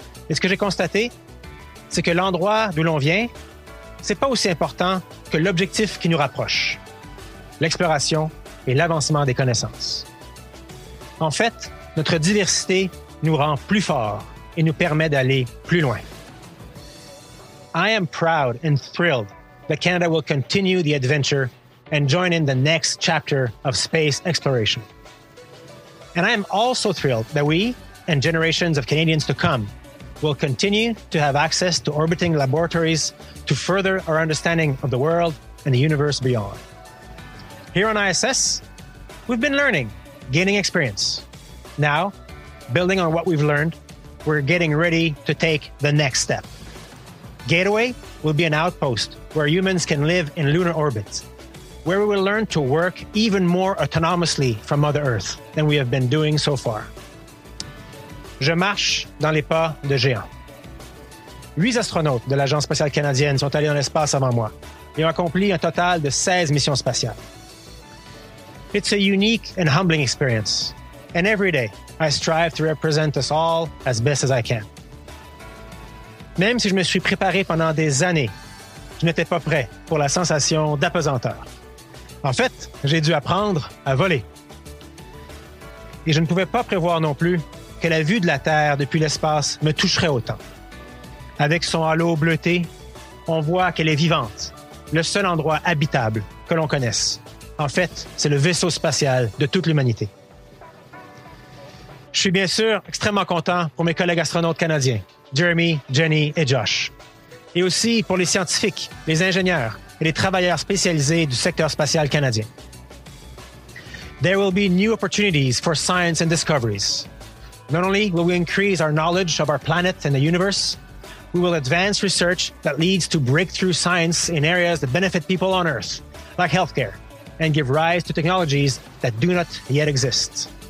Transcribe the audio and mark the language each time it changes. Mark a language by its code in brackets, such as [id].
[fr] Et ce que j'ai constaté, c'est que l'endroit d'où l'on vient, c'est pas aussi important que l'objectif qui nous rapproche, l'exploration et l'avancement des connaissances. En fait, notre diversité nous rend plus forts et nous permet d'aller plus loin. [en] I am proud and thrilled that Canada will continue the adventure and join in the next chapter of space exploration. And I am also thrilled that we and generations of Canadians to come will continue to have access to orbiting laboratories to further our understanding of the world and the universe beyond. Here on ISS, we've been learning, gaining experience. Now, building on what we've learned, we're getting ready to take the next step. Gateway will be an outpost where humans can live in lunar orbit, where we will learn to work even more autonomously from Mother Earth than we have been doing so far. [fr] Je marche dans les pas de géants. 8 astronautes de l'Agence spatiale canadienne sont allés dans l'espace avant moi et ont accompli un total de 16 missions spatiales. [en] It's a unique and humbling experience. And every day, I strive to represent us all as best as I can. [fr] Même si je me suis préparé pendant des années, je n'étais pas prêt pour la sensation d'apesanteur. En fait, j'ai dû apprendre à voler. Et je ne pouvais pas prévoir non plus que la vue de la Terre depuis l'espace me toucherait autant. Avec son halo bleuté, on voit qu'elle est vivante, le seul endroit habitable que l'on connaisse. En fait, c'est le vaisseau spatial de toute l'humanité. Je suis bien sûr extrêmement content pour mes collègues astronautes canadiens, Jeremy, Jenny et Josh, et aussi pour les scientifiques, les ingénieurs et les travailleurs spécialisés du secteur spatial canadien. [en] There will be new opportunities for science and discoveries. Not only will we increase our knowledge of our planet and the universe, we will advance research that leads to breakthrough science in areas that benefit people on Earth, like healthcare, and give rise to technologies that do not yet exist.